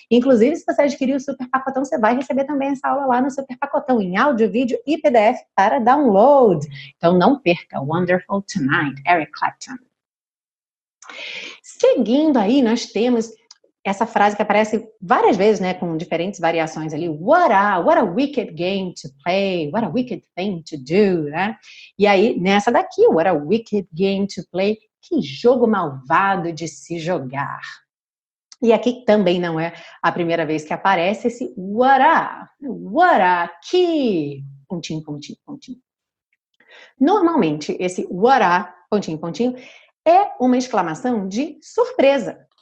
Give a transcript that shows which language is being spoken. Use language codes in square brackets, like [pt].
[pt] Inclusive, se você adquirir o Super Pacotão, você vai receber também essa aula lá no Super Pacotão, em áudio, vídeo e PDF para download. Então, não perca. Wonderful Tonight, Eric Clapton. Seguindo aí, nós temos essa frase que aparece várias vezes, né, com diferentes variações ali. [en] What a wicked game to play, what a wicked thing to do, né? [pt] E aí, nessa daqui, [en] what a wicked game to play, [pt] que jogo malvado de se jogar. E aqui também não é a primeira vez que aparece esse what a, que, pontinho. Normalmente, esse what a, pontinho, é uma exclamação de surpresa.